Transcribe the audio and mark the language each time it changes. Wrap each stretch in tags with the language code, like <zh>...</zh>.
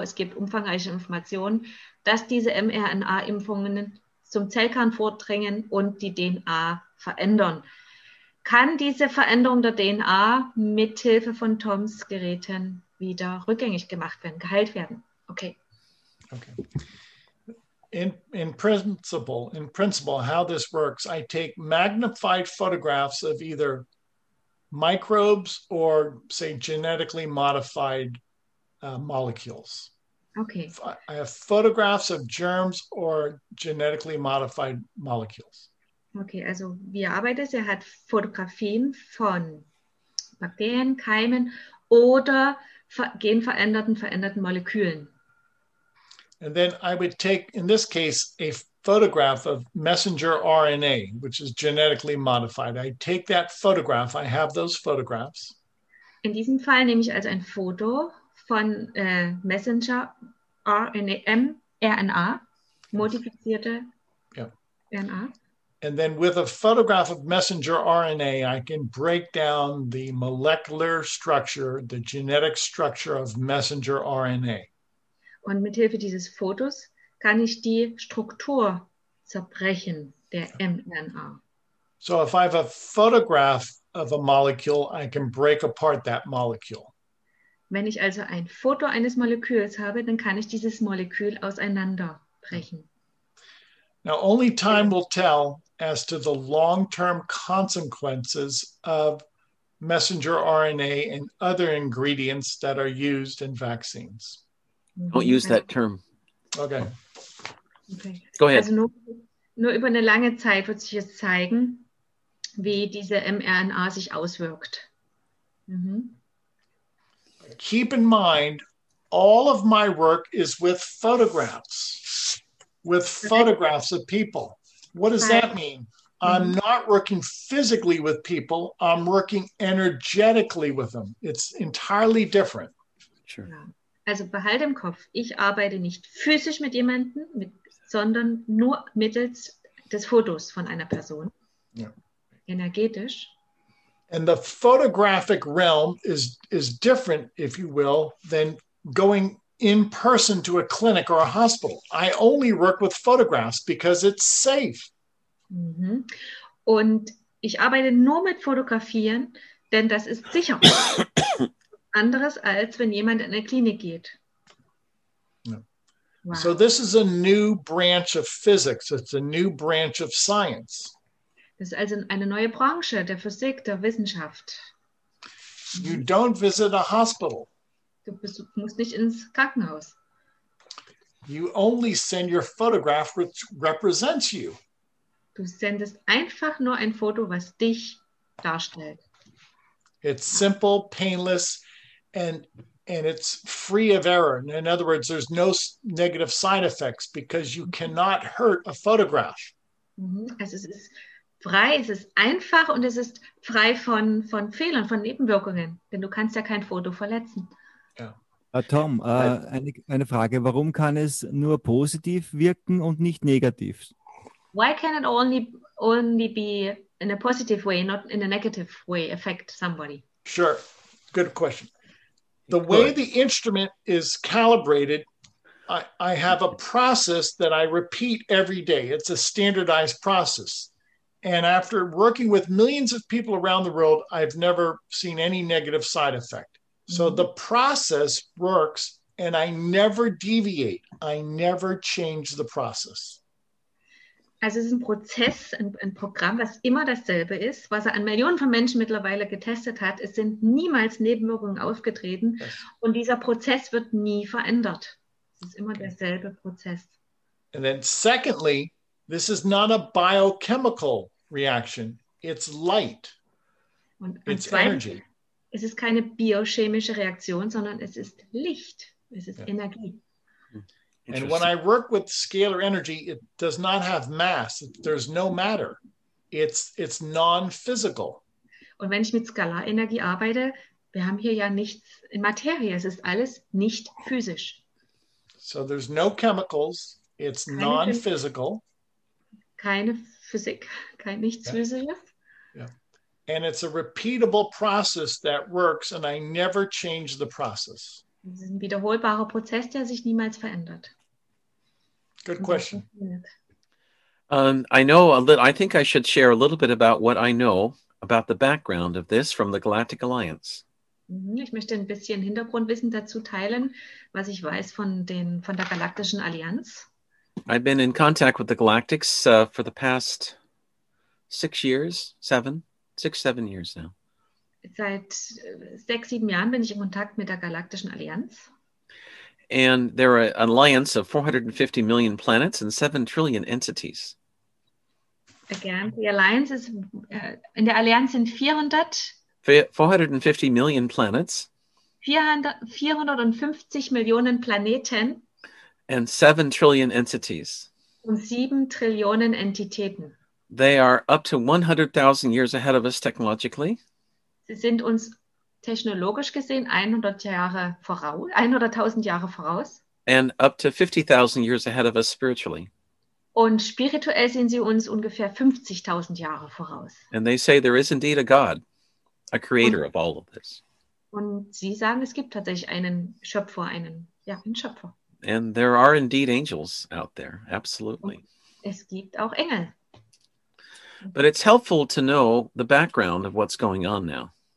<de>Es gibt umfangreiche Informationen, dass diese mRNA-Impfungen zum Zellkern vordringen und die DNA verändern. Kann diese Veränderung der DNA mithilfe von Toms Geräten wieder rückgängig gemacht werden, geheilt werden?</de> <en>Okay. Okay. In principle, how this works, I take magnified photographs of either microbes or, say, genetically modified molecules. Okay. I have photographs of germs or genetically modified molecules.</en> <de>Okay, also wie er arbeitet, er hat Fotografien von Bakterien, Keimen oder genveränderten Molekülen.</de> <en>And then I would take, in this case, a photograph of messenger RNA, which is genetically modified. I take that photograph. I have those photographs.</en> <de>In diesem Fall nehme ich also ein Foto von messenger RNA, mRNA, modifizierte RNA.</de> <en>And then with a photograph of messenger RNA, I can break down the molecular structure, the genetic structure of messenger RNA.</en> <de>Und mithilfe dieses Fotos kann ich die Struktur zerbrechen, der mRNA.</de> <en>So if I have a photograph of a molecule, I can break apart that molecule.</en> <de>Wenn ich also ein Foto eines Moleküls habe, dann kann ich dieses Molekül auseinanderbrechen.</de> <en>Now only time will tell as to the long-term consequences of messenger RNA and other ingredients that are used in vaccines. Don't use that term. Okay. Go ahead.</en> <de>Also nur über eine lange Zeit wird sich jetzt zeigen, wie diese mRNA sich auswirkt. Mm-hmm.</de> <en>Keep in mind, all of my work is with photographs. With photographs of people. What does that mean? I'm not working physically with people. I'm working energetically with them. It's entirely different. Sure.</en> <de>Also behalte im Kopf, ich arbeite nicht physisch mit jemandem, sondern nur mittels des Fotos von einer Person.</de> <en>Yeah.</en> <de>Energetisch.</de> <en>And the photographic realm is different, if you will, than going in person to a clinic or a hospital. I only work with photographs because it's safe. Mm-hmm.</en> <de>Und ich arbeite nur mit Fotografien, denn das ist sicher. Anderes als wenn jemand in eine Klinik geht.</de> <en>No. Wow. So this is a new branch of physics. It's a new branch of science.</en> <de>Das ist also eine neue Branche der Physik, der Wissenschaft.</de> <en>You don't visit a hospital.</en> <de>Du musst nicht ins Krankenhaus.</de> <en>You only send your photograph which represents you.</en> <de>Du sendest einfach nur ein Foto, was dich darstellt.</de> <en>It's simple, painless, and it's free of error. In other words, there's no negative side effects because you cannot hurt a photograph.</en> <de>Also es ist frei, es ist einfach und es ist frei von Fehlern, von Nebenwirkungen, denn du kannst ja kein Foto verletzen.</de> <en>Yeah.</en> <de>Tom, eine Frage, warum kann es nur positiv wirken und nicht negativ?</de> <en>Why can it only be in a positive way, not in a negative way, affect somebody? Sure, good question. The way the instrument is calibrated, I have a process that I repeat every day. It's a standardized process. And after working with millions of people around the world, I've never seen any negative side effect. So the process works and I never deviate. I never change the process.</en> <de>Also es ist ein Prozess, ein Programm, was immer dasselbe ist, was er an Millionen von Menschen mittlerweile getestet hat. Es sind niemals Nebenwirkungen aufgetreten und dieser Prozess wird nie verändert. Es ist immer derselbe Prozess.</de> <en>And then secondly, this is not a biochemical reaction. It's light.</en> <de>Und</de> <en>it's energy.</en> <de>Es ist keine biochemische Reaktion, sondern es ist Licht. Es ist Energie.</de> <en>And when I work with scalar energy, it does not have mass. There's no matter. It's non-physical.</en> <de>Und wenn ich mit Skalarenergie arbeite, wir haben hier ja nichts in Materie. Es ist alles nicht physisch.</de> <en>So there's no chemicals. It's</en> <de>keine</de> <en>non-physical.</en> <de>Keine Physik. Kein nichts Physisches.</de> <en>Yeah. And it's a repeatable process that works, and I never change the process.</en> <de>Es ist ein wiederholbarer Prozess, der sich niemals verändert.</de> <en>Good question. I know a little. I think I should share a little bit about what I know about the background of this from the Galactic Alliance.</en> <de>Ich möchte ein bisschen Hintergrundwissen dazu teilen, was ich weiß von der Galaktischen Allianz.</de> <en>I've been in contact with the Galactics for the past 6 years, seven years now.</en> <de>Seit 6, 7 Jahren bin ich in Kontakt mit der Galaktischen Allianz.</de> <en>And they're an alliance of 450 million planets and 7 trillion entities. Again, the alliance is in the alliance in 400 450 million planets.</en> <de>450 Millionen Planeten.</de> <en>And 7 trillion entities.</en> <de>Und 7 Trillionen Entitäten.</de> <en>They are up to 100,000 years ahead of us technologically.</en> <de>Sie sind uns technologisch gesehen 100,000 Jahre voraus.</de> <en>And up to 50,000 years ahead of us spiritually.</en> <de>Und spirituell sehen sie uns ungefähr 50,000 Jahre voraus.</de> <en>And they say there is indeed a God, a creator of all of this.</en> <de>Und sie sagen, es gibt tatsächlich einen Schöpfer, einen Schöpfer.</de> <en>And there are indeed angels out there, absolutely.</en> <de>Und es gibt auch Engel.</de> <en>But it's helpful to know the background of what's going on now.</en>